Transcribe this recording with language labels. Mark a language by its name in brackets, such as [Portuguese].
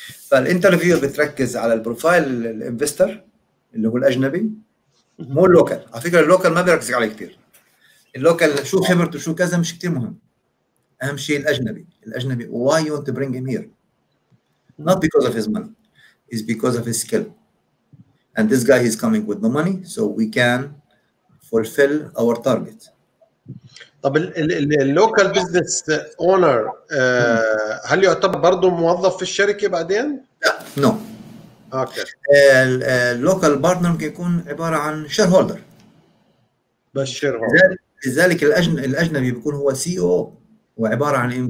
[Arabic] فالانترفيو بتركز على البروفايل الانفستر اللي هو الاجنبي مو اللوكال. على فكره اللوكال ما بيركز عليه كثير, اللوكال شو خبرته شو كذا مش كثير مهم, اهم شيء الاجنبي. [English] الاجنبي why you want to bring him here, not because of his money, is because of his skill and this guy is coming with the money so we can fulfill our target. [Arabic] طب اللوكال بزنس اونر هل يعتبر برضه موظف في الشركه بعدين؟ لا نو اوكي. اللوكال بارتنر يكون عباره عن شير هولدر, بس شير هولدر. لذلك الاجنبي بيكون هو سي او وعباره عن